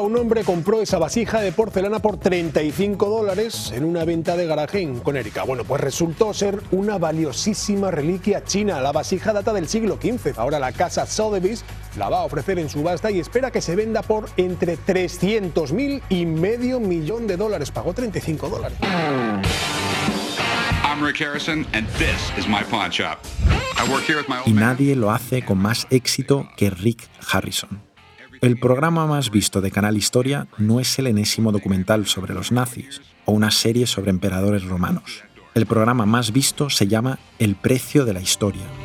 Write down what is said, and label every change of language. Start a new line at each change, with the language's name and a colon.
Spanish: Un hombre compró esa vasija de porcelana por $35 en una venta de garaje en Connecticut. Bueno, pues resultó ser una valiosísima reliquia china. La vasija data del siglo XV. Ahora la casa Sotheby's la va a ofrecer en subasta y espera que se venda por entre 300.000 y medio millón de dólares. Pagó $35.
English: I'm Rick Harrison and this is my pawn shop. I work here with my old
Spanish: y nadie lo hace con más éxito que Rick Harrison. El programa más visto de Canal Historia no es el enésimo documental sobre los nazis o una serie sobre emperadores romanos. El programa más visto se llama El precio de la historia.